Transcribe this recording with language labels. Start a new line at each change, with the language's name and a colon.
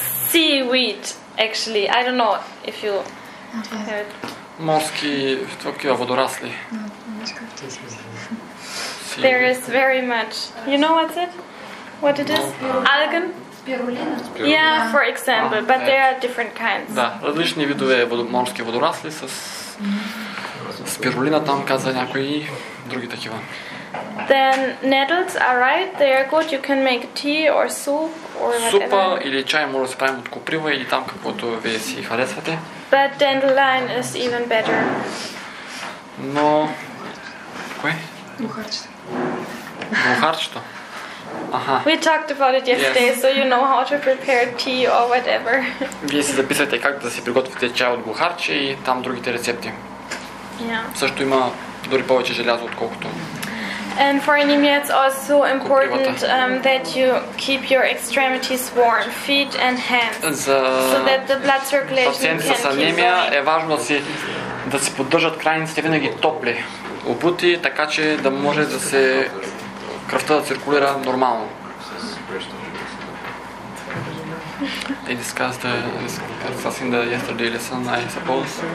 English: seaweed, actually. I don't know if you...
Bulgarian: Морски такива водорасли.
English: There is very much. You know what's it? What it is? Algen?
Bulgarian: Спирулина.
English: Yeah, for example, but there are different kinds.
Bulgarian: Да, различни видове морски водорасли с спирулина там каза някои и други такива.
English: Then nettles are right. They are good. You can make tea or soup or whatever.
Bulgarian: Супа или чай може да се правим от коприва или там каквото ви си харесвате.
English: But dandelion is even better.
Bulgarian: Но... Кое? Мухарчето. Мухарчето?
English: We talked about it yesterday, yes. So you know how to prepare tea or whatever.
Bulgarian: Вие си записвате как да си приготвите чай от мухарче и там другите рецепти.
English: Yeah.
Bulgarian: Също има дори повече желязо, отколкото...
English: And for anemia, it's also important that you keep your extremities warm, feet and hands,
Bulgarian: за...
English: so that the blood circulation can keep going.
Bulgarian: Пациентите с анемия е важно да си поддържат крайниците винаги топли, обути, така че да може да се кръвта да циркулира нормално.
English: They discussed the yesterday lesson, I suppose.